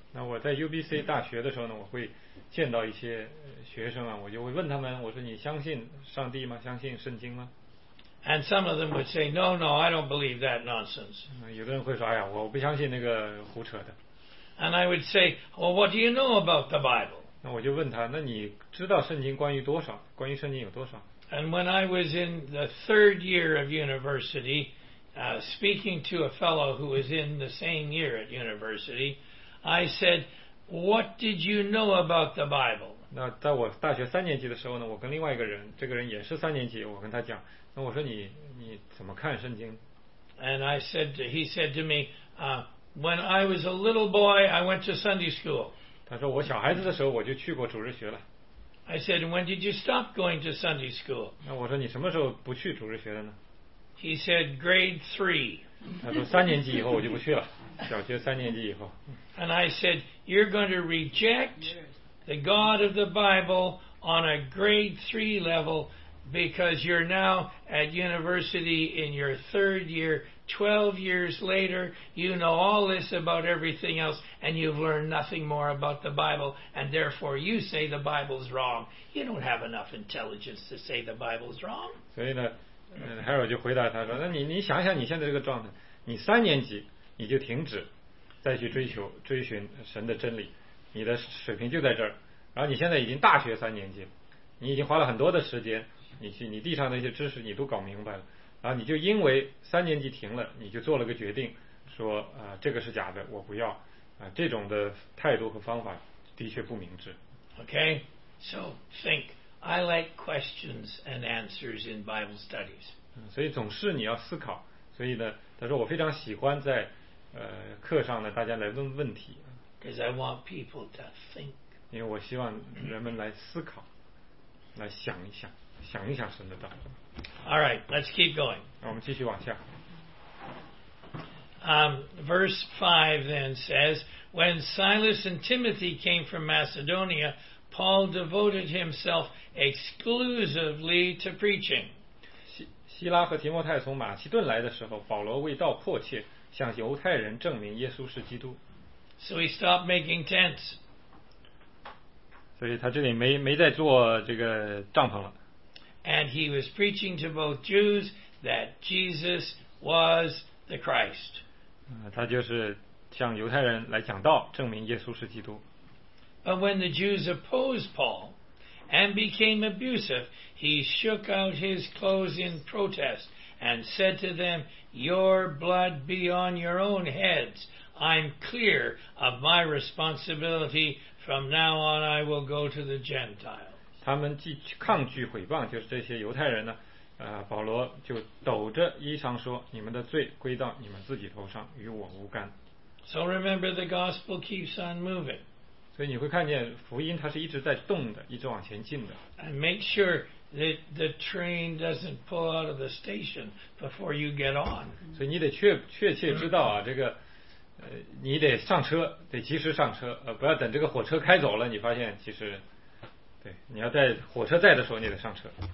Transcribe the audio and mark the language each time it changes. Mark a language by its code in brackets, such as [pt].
[zh] 那我在 UBC 大学的时候呢，我会见到一些学生啊，我就会问他们，我说你相信上帝吗？相信圣经吗？ [en] And some of them would say, no, no, I don't believe that nonsense. [zh] 有的人会说，哎呀，我不相信那个胡扯的。 [en] And I would say, well, what do you know about the Bible? [zh] 那我就问他，那你知道圣经关于多少？关于圣经有多少？ [en] And when I was in the third year of university, speaking to a fellow who was in the same year at university, I said, what did you know about the Bible? [zh] 那在我大学三年级的时候呢，我跟另外一个人，这个人也是三年级，我跟他讲，那我说你怎么看圣经？ [en] And I said, he said to me, when I was a little boy, I went to Sunday school. [zh] 他说我小孩子的时候我就去过主日学了。 [en] I said, when did you stop going to Sunday school? [zh] 那我说你什么时候不去主日学了呢？ [en] He said, grade three. [zh] 他说三年级以后我就不去了，小学三年级以后。 [en] And I said, you're going to reject the God of the Bible on a grade three level. Because you're now at university in your third year, 12 years later, you know all this about everything else, and you've learned nothing more about the Bible, and therefore you say the Bible's wrong. You don't have enough intelligence to say the Bible's wrong. [zh] 所以呢，Harold 就回答他说，那你想想你现在这个状态，你三年级你就停止再去追寻神的真理，你的水平就在这儿，然后你现在已经大学三年级，你已经花了很多的时间。你地上那些知识你都搞明白了，啊，你就因为三年级停了，你就做了个决定，说这个是假的，我不要，这种的态度和方法的确不明智。 [en] Okay, so think. I like questions and answers in Bible studies. [zh] 所以总是你要思考。所以呢，他说我非常喜欢在课上呢大家来问问题。 [en] Because I want people to think. [zh] 因为我希望人们来思考，来想一想。想一想神的道。 [en] All right, let's keep going. [zh] 我们继续往下。 [en] Verse 5 then says, when Silas and Timothy came from Macedonia, Paul devoted himself exclusively to preaching. [zh] 希拉和提摩太 从马其顿来的时候，保罗为道迫切，向犹太人证明耶稣是基督。 [en] So he stopped making tents. [zh] 所以他这里没再做这个帐篷了。 [en] And he was preaching to both Jews that Jesus was the Christ. [zh] 他就是向犹太人来讲道，证明耶稣是基督。 [en] But when the Jews opposed Paul and became abusive, he shook out his clothes in protest and said to them, "Your blood be on your own heads. I'm clear of my responsibility. From now on, I will go to the Gentiles." [zh] 他们既抗拒毁谤，就是这些犹太人呢，保罗就抖着衣裳说，你们的罪归到你们自己头上，与我无干。 [en] So remember, the gospel keeps on moving. [zh] 所以你会看见福音它是一直在动的，一直往前进的。 [en] And make sure that the train doesn't pull out of the station before you get on. [zh] 所以你得确切知道啊，这个你得上车，得及时上车，不要等这个火车开走了，你发现其实，对，你要在火车在的时候你得上车。